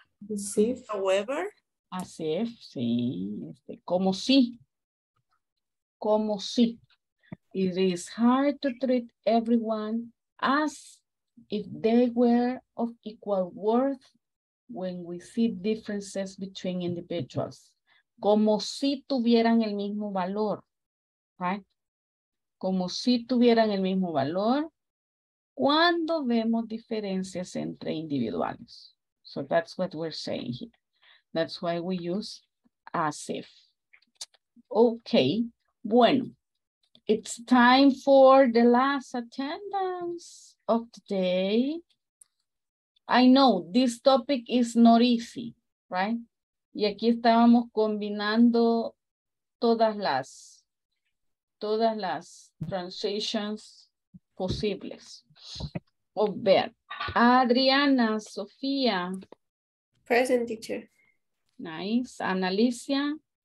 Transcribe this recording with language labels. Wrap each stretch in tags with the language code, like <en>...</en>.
<en>It is hard to treat everyone as if they were of equal worth when we see differences between individuals.</en> <es>Como si tuvieran el mismo valor, right? Como si tuvieran el mismo valor cuando vemos diferencias entre individuales.</es> <en>So that's what we're saying here. That's why we use as if. Okay, bueno, it's time for the last attendance of the day. I know this topic is not easy, right?</en> <es>Y aquí estábamos combinando todas las transitions posibles. A ver, Adriana, Sofía.</es> <en>Present teacher. Nice. Ana Alicia.</en>